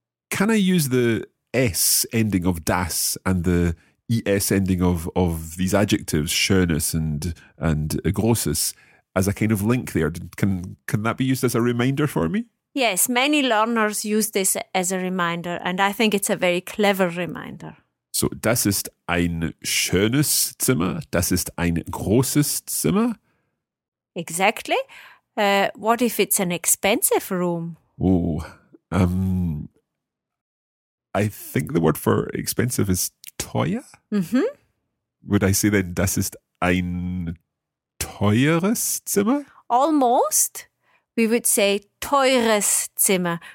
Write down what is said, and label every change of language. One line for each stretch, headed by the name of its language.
English: Can I use the S ending of das and the ES ending of these adjectives, schönes and großes, as a kind of link there? Can that be used as a reminder for me? Yes, many learners use this as a reminder, and I think it's a very clever reminder.
German: So, das ist ein schönes Zimmer, das ist ein großes Zimmer.
English: Exactly. What if it's an expensive room? Oh, I think the word for expensive is teuer. Mm-hmm. Would I say then,
German: das ist ein teures Zimmer?
English: Almost. We would say
German: teures Zimmer.